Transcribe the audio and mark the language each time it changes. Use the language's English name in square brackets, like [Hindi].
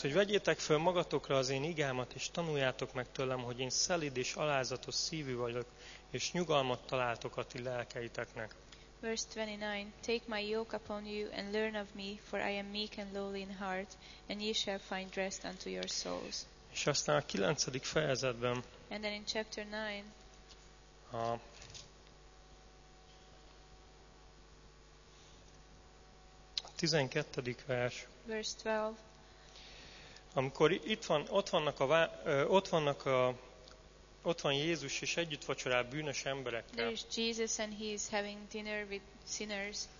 [Hungarian] Hogy vegyétek föl magatokra az én igámat, és tanuljátok meg tőlem, hogy én szelíd és alázatos szívű vagyok, és nyugalmat találtok a ti lelkeiteknek. [English] Verse 29. Take my yoke upon you and learn of me, for I am meek and lowly in heart, and ye shall find rest unto your souls. [Hungarian] És aztán a 9. fejezetben. [English] And then in chapter 9. [Hungarian] A 12. vers. [English] Verse 12. [Hungarian] Amikor itt van, ott van Jézus és együtt vacsorál bűnös emberekkel. [English] There is Jesus and he is having dinner with sinners.